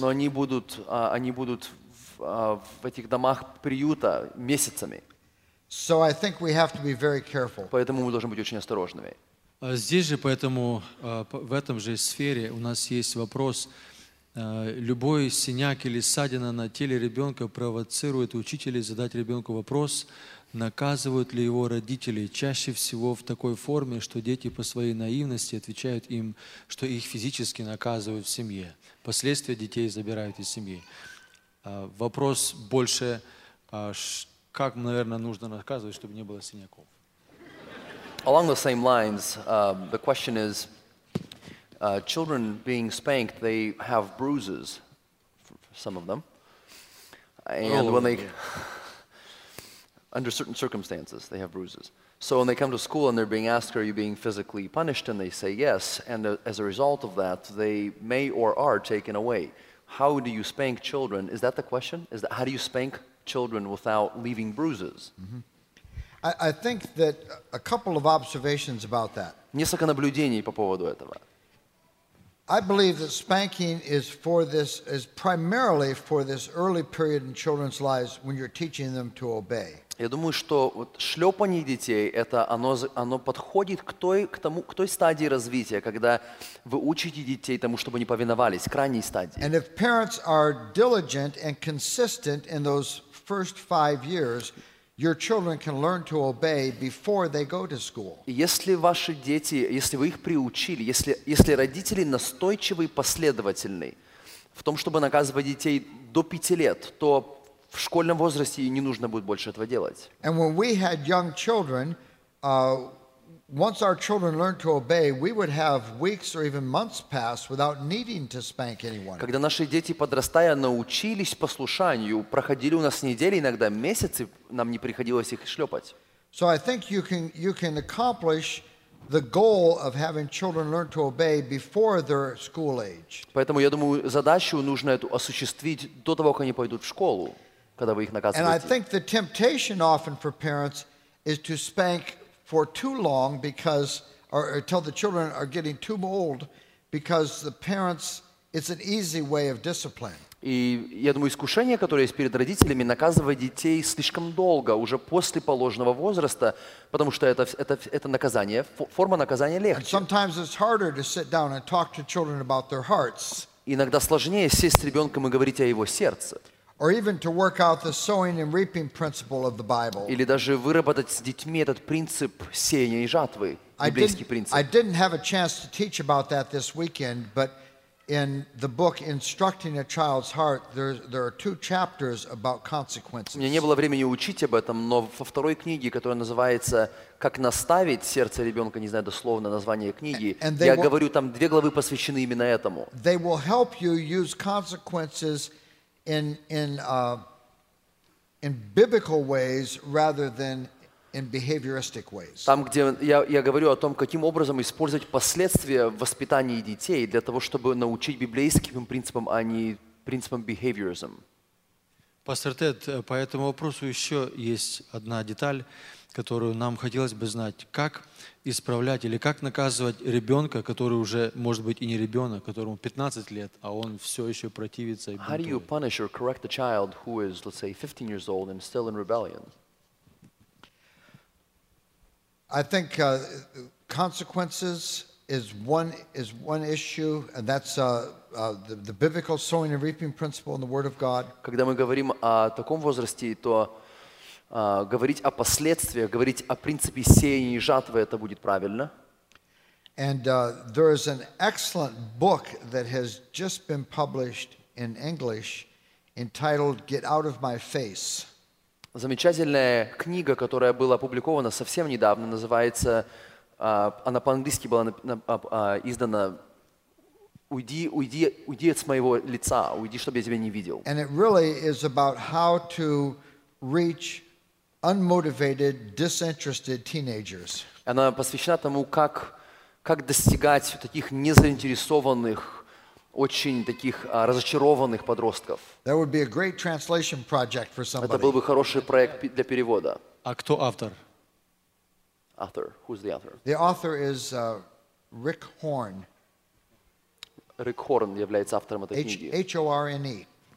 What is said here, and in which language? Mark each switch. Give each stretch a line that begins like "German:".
Russian: Но они будут в этих домах приюта месяцами.
English: So I think we have to be very careful.
Russian: Поэтому мы должны быть очень осторожными. Здесь же, поэтому в этом же сфере у нас есть вопрос. Любой синяк или ссадина на теле ребенка провоцирует учителей задать ребенку вопрос, наказывают ли его родители, чаще всего в такой форме, что дети по своей наивности отвечают им, что их физически наказывают в семье. Последствия детей забирают из семьи. Вопрос больше, как, наверное, нужно наказывать, чтобы не было синяков.
English: Along the same lines, the question is, children being spanked, they have bruises, for some of them, and when they, under certain circumstances, they have bruises. So when they come to school and they're being asked, are you being physically punished, and they say yes, and as a result of that, they may or are taken away. How do you spank children? Is that the question? Is that, how do you spank children without leaving bruises? Mm-hmm. I think that a couple of observations about that.
Russian: Несколько наблюдений по поводу этого.
English: I believe that spanking is for this, is primarily for this early period in children's lives when you're teaching them to obey.
Russian: Я думаю, что вот шлепание детей, это оно подходит к той стадии развития, когда вы учите детей тому, чтобы они повиновались, крайней стадии.
English: And if parents are diligent and consistent in those first 5 years, your children can learn to obey before they go to school.
Russian: Если ваши дети, если вы их приучили, если родители настойчивы и последовательны в том, чтобы наказывать детей до 5 лет, то в школьном возрасте не нужно будет больше этого делать.
English: And when we had young children, once our children learned to obey, we would have weeks or even months pass without needing to spank anyone.
Russian: Когда наши дети, подрастая, научились послушанию, проходили у нас недели, иногда месяцы, нам не приходилось их шлепать.
English: So I think you can accomplish the goal of having children learn to obey before their school age.
Russian: Поэтому я думаю, задачу нужно эту осуществить до того, как они пойдут в школу, когда вы их наказываете.
English: And I think the temptation often for parents is to spank for too long because, or until the children are getting too old, because the parents, it's an easy way of discipline.
Russian: И я думаю, искушение, которое есть перед родителями, наказывать детей слишком долго, уже после положенного возраста, потому что это наказание, форма наказания легче.
English: And sometimes it's harder to sit down and talk to children about their hearts.
Russian: Иногда сложнее сесть с ребенком и говорить о его сердце.
English: Or even to work out the sowing and reaping principle of the Bible.
Russian: Или даже выработать с детьми этот принцип сеяния и жатвы, библейский принцип.
English: I didn't have a chance to teach about that this weekend, but in the book Instructing a Child's Heart, there are two chapters about consequences.
Russian: У меня не было времени учить об этом, но во второй книге, которая называется «Как наставить сердце ребенка», не знаю дословно название книги, я говорю, там две главы посвящены именно этому.
English: They will help you use consequences in biblical ways rather than in behavioristic ways.
Russian: Там, где я говорю о том, каким образом использовать последствия в воспитании детей для того, чтобы научить библейским принципам, а не принципам behaviorism. Пастор Тед, по этому вопросу еще есть одна деталь, которую нам хотелось бы знать. Как исправлять или как наказывать ребенка, который уже, может быть, и не ребенок, которому 15 лет, а он все еще противится и бунтует?
English: How do you punish or correct a child who is, let's say, 15 years old and still in rebellion? I think consequences is one issue, and that's the biblical sowing and reaping principle in the Word of God.
Russian: Когда мы говорим о таком возрасте, то говорить о последствиях, говорить о принципе сеяния и жатвы, это будет правильно.
English: And there is an excellent book that has just been published in English entitled Get Out of My Face.
Russian: Замечательная книга, которая была опубликована совсем недавно, называется, она по-английски была издана «Уйди от моего лица, уйди, чтобы я тебя не видел».
English: And it really is about how to reach unmotivated, disinterested teenagers.
Russian: Она посвящена тому, как достигать таких незаинтересованных, очень таких разочарованных подростков.
English: That would be a great translation project for somebody.
Russian: Это был бы хороший проект для перевода. А кто автор?
English: Author. Who's the author? The author is Rick Horn.
Russian: Rick Horn является автором этой книги.
English: H-O-R-N-E.